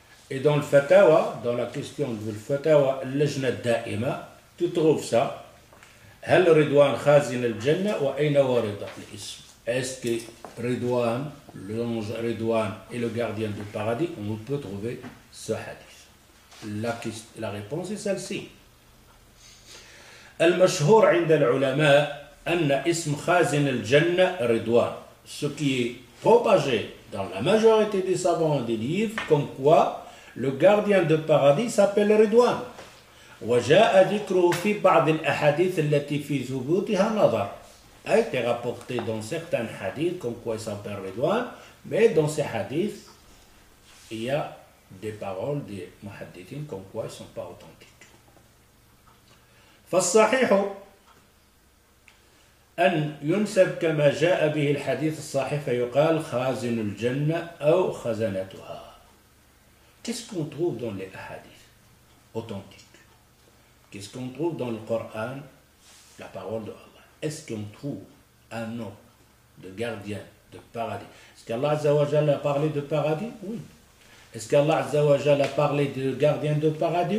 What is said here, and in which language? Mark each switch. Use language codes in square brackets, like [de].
[fr] Et dans le fatawa, dans la question du fatawa, l'ajnad da'ima, tu trouves ça. [ar] Hal Ridwan khazin al-jannah wa aina warida l'ism. [fr] Est-ce que Ridwan, l'ange Ridwan et le gardien du paradis, on peut trouver ce hadith? La réponse est celle-ci. [ar] Al-mashhur عند العلماء أن اسم خازن الجنة رضوان. [fr] Ce qui est propagé dans la majorité des savants des livres, comme quoi le gardien de paradis s'appelle Ridwan. [ar] وجاء ذكره في بعض الأحاديث التي في ثبوتها نظر. [fr] A été rapporté dans certains hadiths, comme quoi il s'appelle Ridwan, mais dans ces hadiths, il y a des paroles des muhadithins comme quoi ils ne sont pas authentiques. [ar] فالصحيح أن ينسب كما جاء به الحديث الصحيح فيقال خازن الجنة أو خزنتها. [fr] Qu'est-ce qu'on trouve dans les hadiths authentiques? Qu'est-ce qu'on trouve dans le Coran, la parole de Allah? Est-ce qu'on trouve un nom de gardien de paradis? Est-ce qu'Allah Azzawajal a parlé de paradis? Oui. Est-ce qu'Allah Azzawajal a parlé de gardien de paradis?